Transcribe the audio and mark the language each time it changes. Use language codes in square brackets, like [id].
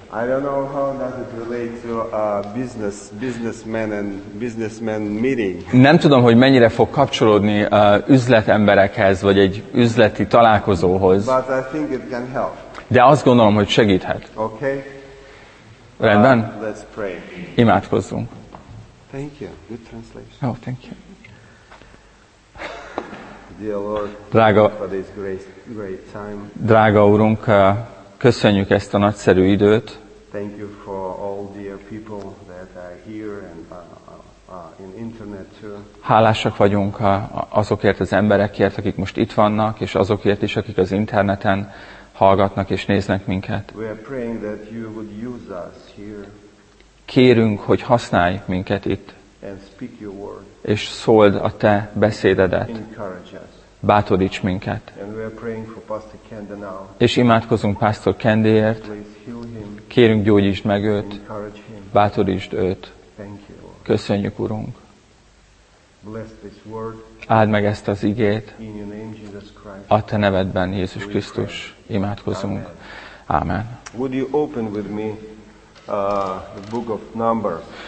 [en] I don't know how does it relate to businessmen and businessmen meeting. [hu] Nem tudom, hogy mennyire fog kapcsolódni üzletemberekhez vagy egy üzleti találkozóhoz. [en] But I think it can help. [hu] De azt gondolom, hogy segíthet. [en] Okay. [hu] Rendben? [en] Let's pray. [hu] Imádkozzunk. [en] Thank you. Good translation. Oh, thank you. Dear Lord, drága, for this great time. [hu] Drága úrunk, köszönjük ezt a nagyszerű időt. [en] Thank you for all dear people that are here and in internet too. [hu] Hálásak vagyunk azokért az emberekért, akik most itt vannak, és azokért is, akik az interneten hallgatnak és néznek minket. [en] We are praying that you would use us here. [hu] Kérünk, hogy használj minket itt. [en] And speak your word. [hu] És szóld a te beszédedet. [en] Encourage us. [hu] Bátoríts minket. [en] And we are praying for Pastor Kende now. [hu] És imádkozunk Pastor Kendéért. Kérünk, gyógyítsd meg őt. [en] Encourage him. [hu] Bátorítsd őt. [en] Thank you, Lord. [hu] Köszönjük, Urunk. [en] Bless this word. [hu] Áld meg ezt az igét. [en] In your name, Jesus Christ. [hu] A te nevedben, Jézus Krisztus. Imádkozunk. Amen. Amen. [en] Would you open with me the book of Numbers?